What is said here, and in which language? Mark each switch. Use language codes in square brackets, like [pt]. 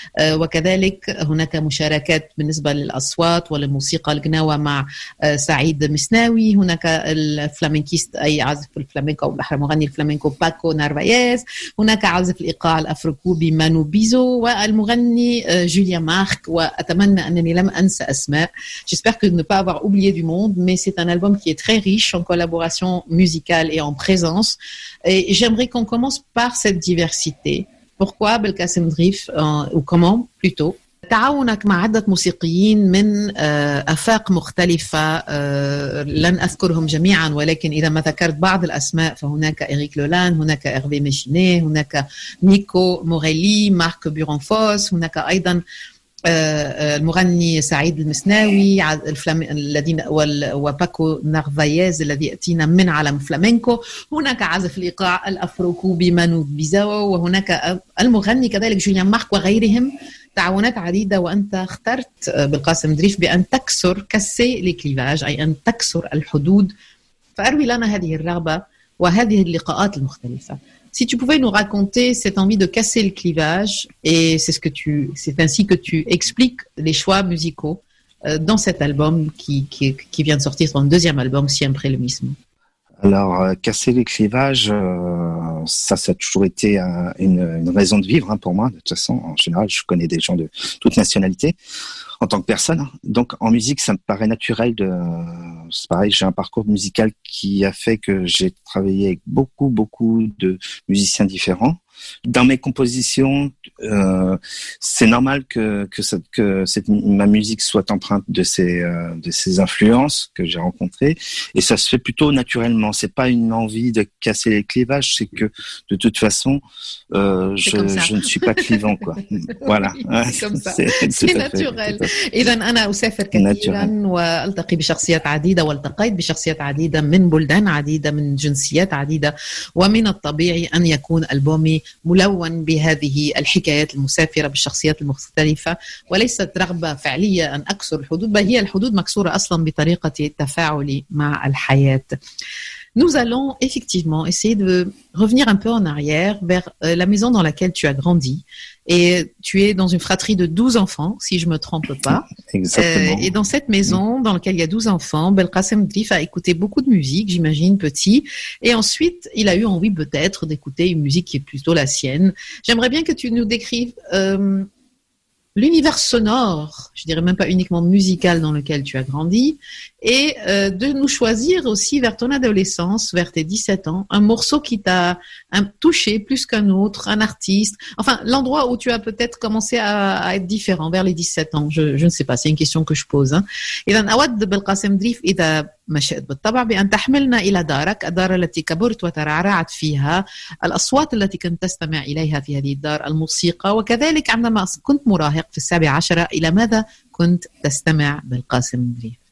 [ar] وكذلك هناك مشاركات بالنسبة للأصوات والموسيقى الجناوة مع سعيد مسناوي، هناك الفلامينكيست أي عازف الفلامينكو أو بحر مغني الفلامينكو باكو نارفاياز، هناك عازف الإيقاع الأفروكوبي مانو بيزو، والمغني جوليا مارك. وأتمنى أنني لم أنسى أسماء. [fr] J'espère que ne pas avoir oublié du monde, mais c'est un album qui est très riche en collaboration musicale et en présence. Et j'aimerais qu'on commence par cette diversité. Pourquoi Belkacem Driff, ou comment plutôt? [ar] تعاونك مع عدة موسيقيين من أفاق مختلفة، لن أذكرهم جميعا، ولكن إذا ما ذكرت بعض الأسماء فهناك إريك لولان، هناك إيرفي ميشيني، هناك نيكو موريلي، مارك بيرونفوس، هناك أيضا المغني سعيد المسناوي الذين وباكو نارفاياز الذي أتينا من عالم فلامينكو، هناك عازف الإيقاع الأفروكوبي مانو بيزاو، وهناك المغني كذلك جوليان مارك وغيرهم. تعاونات عديدة، وأنت اخترت بالقاسم دريف بأن تكسر كسي لكليفاج، أي أن تكسر الحدود. فأروي لنا هذه الرغبة وهذه اللقاءات المختلفة. [fr] Si tu pouvais nous raconter cette envie de casser le clivage, et c'est ce que tu, c'est ainsi que tu expliques les choix musicaux dans cet album qui vient de sortir, son deuxième album, Siempre le mismo. Alors, casser les clivages, ça a toujours été une raison de vivre pour moi. De toute façon, en général, je connais des gens de toute nationalité en tant que personne. Donc, en musique, ça me paraît naturel de... C'est pareil, j'ai un parcours musical qui a fait que j'ai travaillé avec beaucoup, beaucoup de musiciens différents. Dans mes compositions, c'est normal que ma musique soit empreinte de ces influences que j'ai rencontrées, et ça se fait plutôt naturellement. C'est pas une envie de casser les clivages, c'est que de toute façon, je ne suis pas clivant, quoi. Voilà. C'est naturel. [ar] إذن أنا أسافر كثيرا وألتقي بشخصيات عديدة والتقيت بشخصيات عديدة من بلدان عديدة من جنسيات عديدة، ومن الطبيعي أن يكون ألبومي ملون بهذه الحكايات المسافرة بالشخصيات المختلفة، وليست رغبة فعلية أن أكسر الحدود، بل هي الحدود مكسورة أصلا بطريقة تفاعلي مع الحياة. [fr] Nous allons effectivement essayer de revenir un peu en arrière vers la maison dans laquelle tu as grandi. Et tu es dans une fratrie de 12 enfants, si je ne me trompe pas. Exactement. Et dans cette maison dans laquelle il y a 12 enfants, Belkacem Driff a écouté beaucoup de musique, j'imagine, petit. Et ensuite, il a eu envie peut-être d'écouter une musique qui est plutôt la sienne. J'aimerais bien que tu nous décrives l'univers sonore, je dirais même pas uniquement musical, dans lequel tu as grandi, et de nous choisir aussi vers ton adolescence, vers tes 17 ans, un morceau qui t'a touché plus qu'un autre, un artiste, enfin l'endroit où tu as peut-être commencé à être différent vers les 17 ans, je ne sais pas, c'est une question que je pose. Et dans Awad de Belkacem Driff, il a [ar] مشيت بالطبع بأن تحملنا إلى دارك، الدار التي كبرت وترعرعت فيها، الأصوات التي كنت تستمع إليها في هذه الدار، الموسيقى، وكذلك عندما كنت مراهق في 17، إلى ماذا كنت تستمع بالقاسم دريف؟